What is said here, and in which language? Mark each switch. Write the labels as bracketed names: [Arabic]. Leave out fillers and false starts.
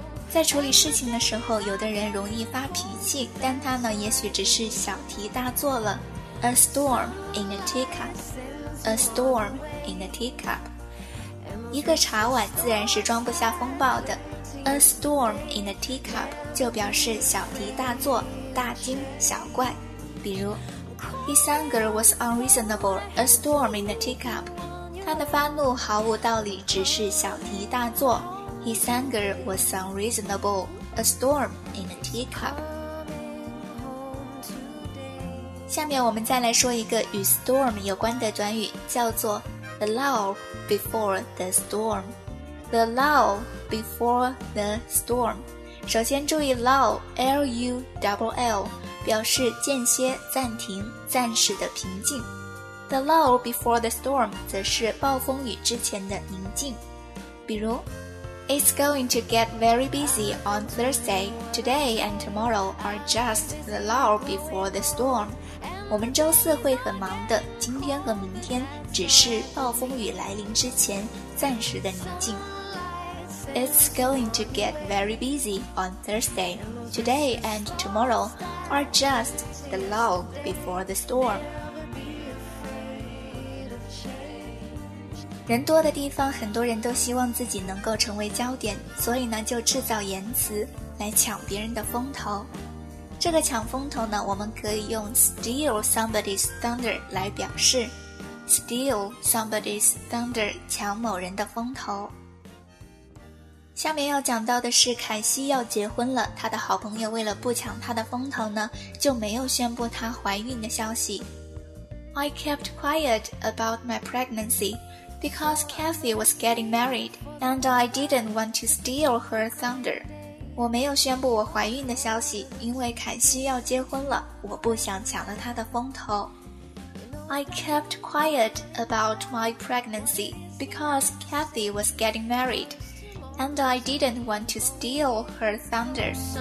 [Chinese] 在处理事情的时候，有的人容易发脾气，但他呢也许只是小题大做了。 [English] A storm in a teacup. A storm in a teacup. [Chinese] 一个茶碗自然是装不下风暴的。A storm in a teacup 就表示小题大做，大惊小怪。比如 [English] His anger was unreasonable. A storm in a teacup. [Chinese] 他的发怒毫无道理，只是小题大做。 [English] His anger was unreasonable, a storm in a teacup. [Chinese] 下面我们再来说一个与 storm 有关的短语，叫做 the lull before the storm. [English] The lull before the storm. [Chinese] 首先注意 lull, L-U-L-L, 表示间歇、暂停、暂时的平静。 The lull before the storm 则是暴风雨之前的宁静。比如 [English] It's going to get very busy on Thursday. Today and tomorrow are just the lull before the storm. [Chinese] 我们周四会很忙的，今天和明天只是暴风雨来临之前暂时的宁静。 [English] It's going to get very busy on Thursday. Today and tomorrow are just the lull before the storm. [Chinese] 人多的地方，很多人都希望自己能够成为焦点，所以呢就制造言辞来抢别人的风头。这个抢风头呢，我们可以用 steal somebody's thunder 来表示， steal somebody's thunder， 抢某人的风头。下面要讲到的是凯西要结婚了，她的好朋友为了不抢她的风头呢，就没有宣布她怀孕的消息。 [English] I kept quiet about my pregnancyBecause Kathy was getting married, and I didn't want to steal her thunder. [Chinese] 我没有宣布我怀孕的消息，因为凯西要结婚了，我不想抢了她的风头。 [English] I kept quiet about my pregnancy because Kathy was getting married, and I didn't want to steal her thunder.